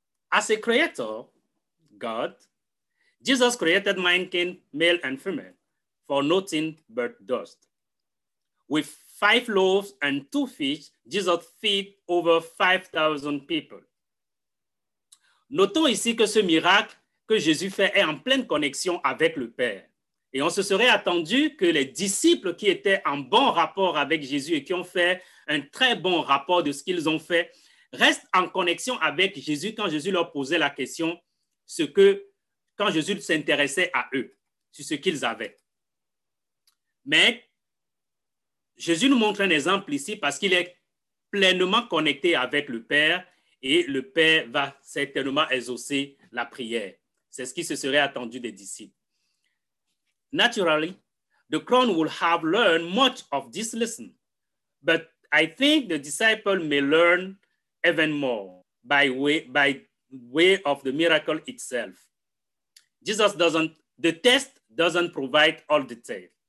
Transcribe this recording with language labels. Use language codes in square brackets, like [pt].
[en] As a creator, God, Jesus created mankind, male and female, for nothing but dust. With 5 loaves and 2 fish, Jesus fed over 5,000 people. [fr] Notons ici que ce miracle que Jésus fait est en pleine connexion avec le Père. Et on se serait attendu que les disciples qui étaient en bon rapport avec Jésus et qui ont fait un très bon rapport de ce qu'ils ont fait restent en connexion avec Jésus quand Jésus leur posait la question, quand Jésus s'intéressait à eux, sur ce qu'ils avaient. Mais Jésus nous montre un exemple ici parce qu'il est pleinement connecté avec le Père et le Père va certainement exaucer la prière. C'est ce qui se serait attendu des disciples. [en] Naturally, the crowd will have learned much of this lesson, but I think the disciple may learn even more by way of the miracle itself. The test doesn't provide all detail.